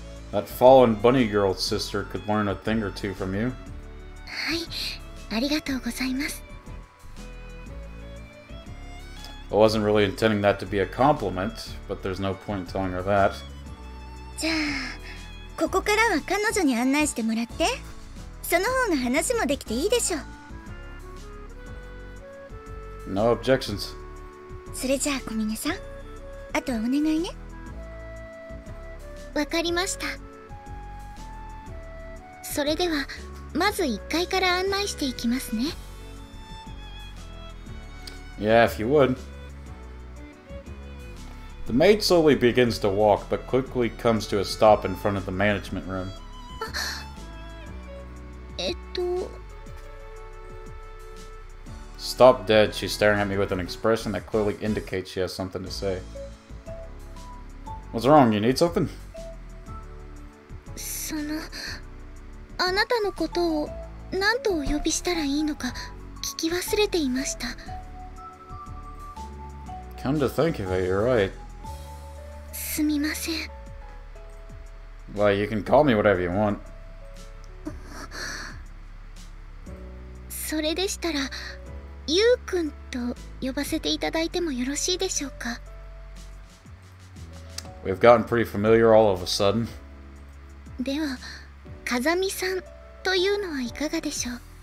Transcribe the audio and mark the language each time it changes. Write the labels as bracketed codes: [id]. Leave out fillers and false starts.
[en] That fallen bunny girl sister could learn a thing or two from you. [ja] はい、ありがとうございます。 [en] I wasn't really intending that to be a compliment, but there's no point in telling her that. [ja] じゃあ、ここからは彼女に案内してもらって。その方が話もできていいでしょう。 [en] No objections. [ja] それじゃあ、小峰さん。あとはお願いね。わかりました。それでは、まず1階から案内していきますね。 [en] Yeah, if you would. The maid slowly begins to walk, but quickly comes to a stop in front of the management room. Stop dead, she's staring at me with an expression that clearly indicates she has something to say. What's wrong? You need something? [ja] その、あなたのことを何とお呼びしたらいいのか聞き忘れていました。 [en] Come to think of it, you're right. [ja] すみません。 [en] Well, you can call me whatever you want. [ja] それでしたら、ユー君と呼ばせていただいてもよろしいでしょうか? [en] We've gotten pretty familiar all of a sudden. [ja] では、風見さんというのはいかがでしょう?